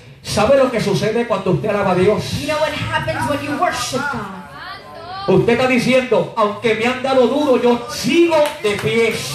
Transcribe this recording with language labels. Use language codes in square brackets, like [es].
[es] ¿Sabe lo que sucede cuando usted alaba a Dios? [en] You know what happens when you worship God. [es] Usted está diciendo, aunque me han dado duro, yo sigo de pie.